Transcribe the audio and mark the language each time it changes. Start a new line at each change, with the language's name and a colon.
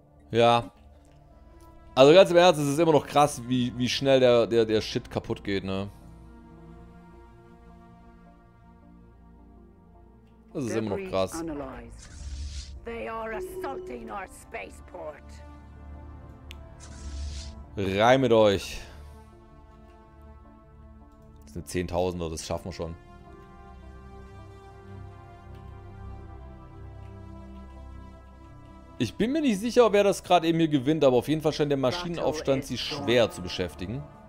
German: Ja. Also ganz im Ernst, es ist immer noch krass, wie schnell der Shit kaputt geht, ne? Das ist immer noch krass.
English: They are assaulting our spaceport.
German: Reimet euch. Das sind 10.000, das schaffen wir schon. Ich bin mir nicht sicher, wer das gerade eben hier gewinnt, aber auf jeden Fall scheint der Maschinenaufstand sie schwer zu beschäftigen.